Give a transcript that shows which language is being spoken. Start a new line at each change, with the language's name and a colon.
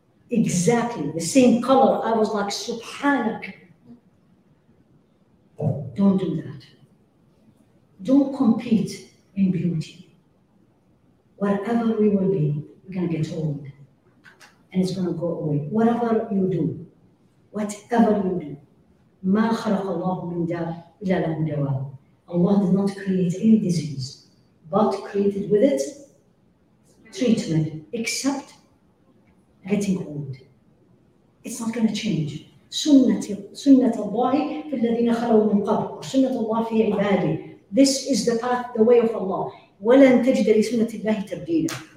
English: Exactly the same color. I was like, Subhanak. Don't do that. Don't compete in beauty. Whatever we will be, we're going to get old. And it's going to go away. Whatever you do. Whatever you do,
Arabic: ما خلق الله من داء إلا لهم دواء.
English: Allah did not create any disease, but created with it treatment, except getting old. It's not going to change.
Arabic: سنة الله في الذين خلوا من قبل. سنة الله في عباده.
English: This is the path, the way of Allah.
Arabic: ولن تجد لسنة الله تبديلا.